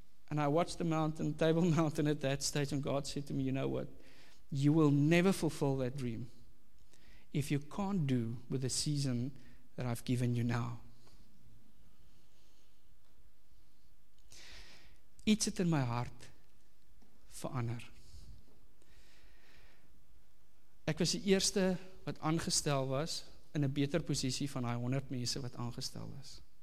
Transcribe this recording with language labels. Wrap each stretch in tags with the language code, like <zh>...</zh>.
<en>And I watched the mountain, Table Mountain at that stage, and God said to me, you know what, you will never fulfill that dream if you can't do with the season that I've given you now.</en> <af>Iets het in my hart verander. Ek was die eerste wat aangestel was in 'n beter posisie van die 100 mense wat aangestel was.</af>